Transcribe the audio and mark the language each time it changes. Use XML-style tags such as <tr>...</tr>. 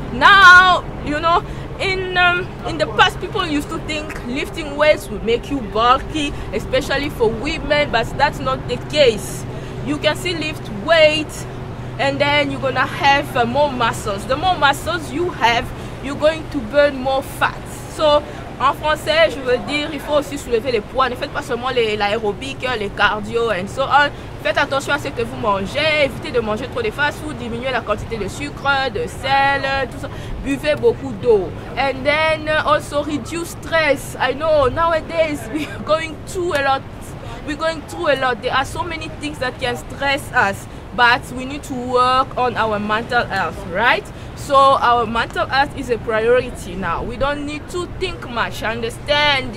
<en>Now, you know, in the past, people used to think lifting weights would make you bulky, especially for women, but that's not the case. You can still lift weights and then you're gonna have more muscles. The more muscles you have, you're going to burn more fat.</en> <fr>So en français, je veux dire, il faut aussi soulever les poids. Ne faites pas seulement l'aérobic, les cardio</fr> <en>and so on.</en> <fr>Faites attention à ce que vous mangez. Évitez de manger trop de fast-food. Diminuez la quantité de sucre, de sel, tout ça. Buvez beaucoup d'eau.</fr> <en>And then also reduce stress. I know nowadays we're going through a lot. There are so many things that can stress us. But we need to work on our mental health, right? So our mental health is a priority now. We don't need to think much, understand?</en>